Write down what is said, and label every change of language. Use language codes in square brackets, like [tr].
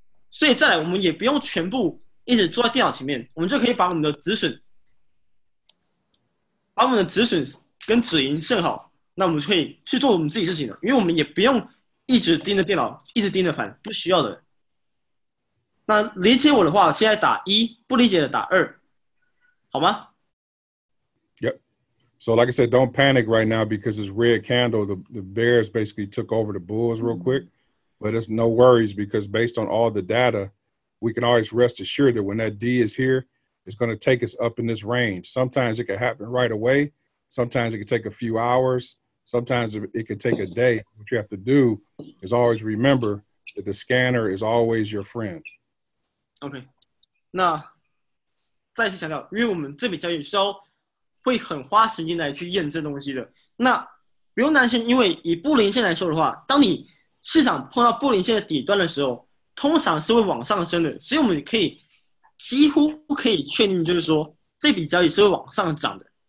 [zh] 所以再来，我们也不用全部一直坐在电脑前面，我们就可以把我们的止损，把我们的止损。跟止盈甚好，那我们可以去做我们自己事情的，因为我们也不用一直盯着电脑，一直盯着盘，不需要的。那理解我的话，现在打一，不理解的打二，好吗 [en] ？Yep. So like I said, don't panic right now because this red candle, the bears basically took over the bulls real quick. But it's no worries because based on all the data, we can always rest assured that when that D is here, it's going to take us up in this range. Sometimes it can happen right away. Sometimes it can take a few hours. Sometimes it can take a day. What you have to do is always remember that the scanner is always your friend. Okay. [zh] 那再次强调，因为我们这笔交易是要会很花时间来去验证东西的。那不用担心，因为以布林线来说的话，当你市场碰到布林线的底端的时候，通常是会往上升的。所以我们可以几乎可以确定，就是说这笔交易是会往上涨的。